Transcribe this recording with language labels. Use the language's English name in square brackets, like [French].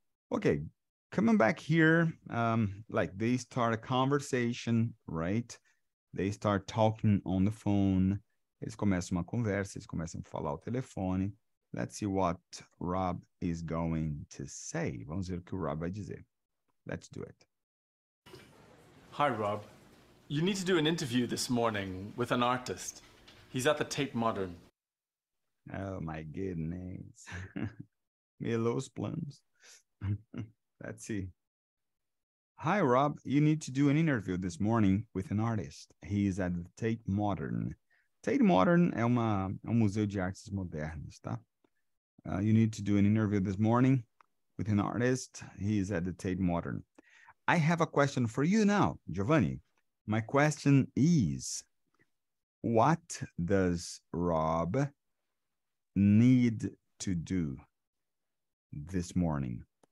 [English] Okay, coming back here, like they start a conversation, right? They start talking on the phone. [Portuguese] Eles começam uma conversa, eles começam a falar ao telefone. [English] Let's see what Rob is going to say. [Portuguese] Vamos ver o que o Rob vai dizer. [English] Let's do it. Hi, Rob. You need to do an interview this morning with an artist. He's at the Tate Modern. Oh, my goodness. Milos plans. Let's see. Hi, Rob. You need to do an interview this morning with an artist. He's at the Tate Modern. [Portuguese] Tate Modern é um museu de artes modernas, tá? [English] You need to do an interview this morning with an artist. He is at the Tate Modern. I have a question for you now, Giovanni. My question is, what does Rob need to do this morning?